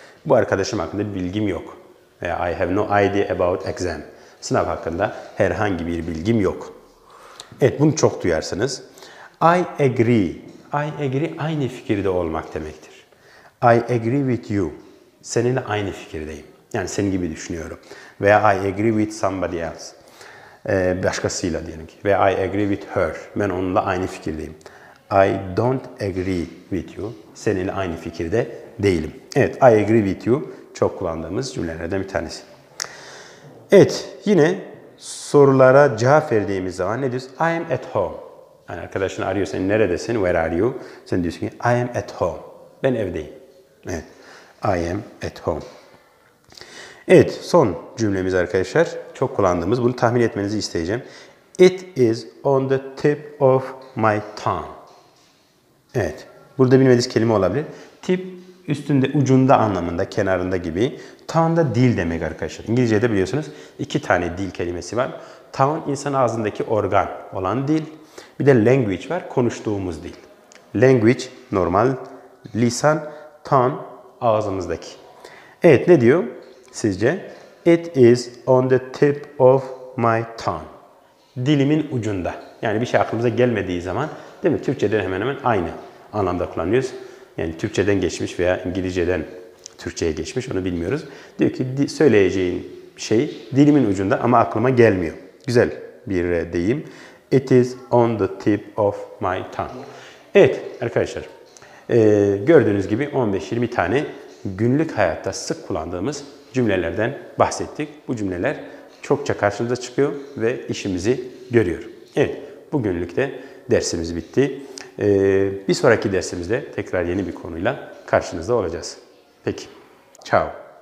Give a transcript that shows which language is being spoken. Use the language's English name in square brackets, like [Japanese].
[Turkish] Bu arkadaşım hakkında bir bilgim yok. [English] I have no idea about exam. [Turkish] Sınav hakkında herhangi bir bilgim yok. Evet, bunu çok duyarsınız. [English] I agree. I agree [Turkish] aynı fikirde olmak demektir. [English] I agree with you. [Turkish] Seninle aynı fikirdeyim. Yani senin gibi düşünüyorum. Veya [English] I agree with somebody else. [Turkish] Başkasıyla diyelim ki. Veya [English] I agree with her. [Turkish] Ben onunla aynı fikirdeyim. [English] I don't agree with you. [Turkish] Seninle aynı fikirde değilim. Evet, [English] I agree with you. [Turkish] Çok kullandığımız cümlelerden bir tanesi. Evet, yine sorulara cevap verdiğimiz zaman ne diyoruz? [English] I am at home. [Turkish] Yani arkadaşını arıyor, sen neredesin? [English] Where are you? [Turkish] Sen diyorsun ki [English] I am at home. [Turkish] Ben evdeyim. Evet, [English] I am at home. [Turkish] Evet, son cümlemiz arkadaşlar. Çok kullandığımız, bunu tahmin etmenizi isteyeceğim. [English] It is on the tip of my tongue. [Turkish] Evet. Burada bilmediğiniz kelime olabilir. Tip üstünde, ucunda anlamında, kenarında gibi. Tongue da dil demek arkadaşlar. İngilizce'de biliyorsunuz iki tane dil kelimesi var. Tongue insan ağzındaki organ olan dil. Bir de language var, konuştuğumuz dil. Language normal lisan, tongue ağzımızdaki. Evet, ne diyor sizce? [English] It is on the tip of my tongue. [Turkish] Dilimin ucunda. Yani bir şey aklımıza gelmediği zaman değil mi? Türkçe'de hemen hemen aynı anlamda kullanıyoruz. Yani Türkçeden geçmiş veya İngilizceden Türkçe'ye geçmiş onu bilmiyoruz. Diyor ki söyleyeceğin şey dilimin ucunda ama aklıma gelmiyor. Güzel bir deyim. [English] It is on the tip of my tongue. [Turkish] Evet arkadaşlar, gördüğünüz gibi 15-20 tane günlük hayatta sık kullandığımız cümlelerden bahsettik. Bu cümleler çokça karşımıza çıkıyor ve işimizi görüyor. Evet, bugünlük de dersimiz bitti. Bir sonraki dersimizde tekrar yeni bir konuyla karşınızda olacağız. Peki, ciao.